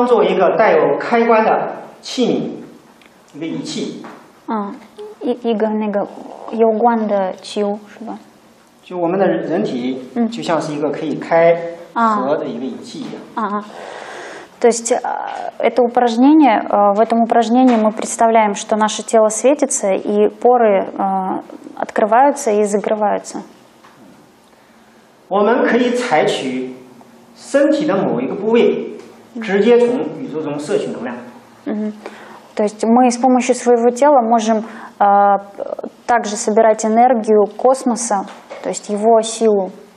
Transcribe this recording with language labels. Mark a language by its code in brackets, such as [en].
[zh] 首先，我们把我们的人体当做一个带有开关的器皿。一个仪器，一个那个有关的器物是吧？就我们的人体，就像是一个可以开合的一个仪器一样。 [ru] То есть это упражнение, в этом упражнении мы представляем, что наше тело светится, и поры открываются и закрываются. [zh] 我们可以采取身体的某一个部位，直接从宇宙中摄取能量。 [ru] То есть мы с помощью своего тела можем также собирать энергию космоса, то есть его силу.